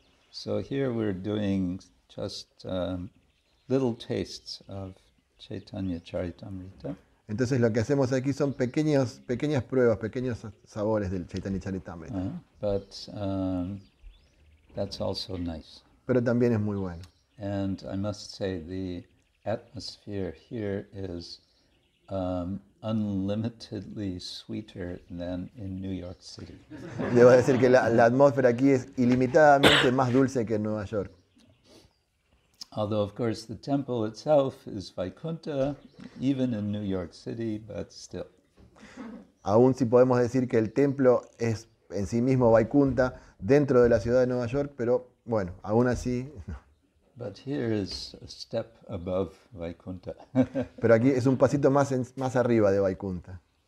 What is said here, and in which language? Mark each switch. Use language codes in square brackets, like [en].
[en] So here we're doing just little tastes of Chaitanya Charitamrita. [es] Entonces lo que hacemos aquí son pequeñas pruebas, pequeños sabores del Chaitanya Charitamrita. [en] But that's also nice. [es] Pero también es muy bueno. [en] And I must say the atmosphere here is unlimitedly sweeter than in New York City. [es] Debo decir que la atmósfera aquí es ilimitadamente más dulce que en Nueva York. [en] Although of course the temple itself is Vaikuntha, even in New York City, but still. [es] Aún si podemos decir que el templo es en sí mismo Vaikuntha dentro de la ciudad de Nueva York, pero bueno, aún así. [en] But here is a step above Vaikuntha. [es] Pero aquí es un pasito más arriba de Vaikuntha.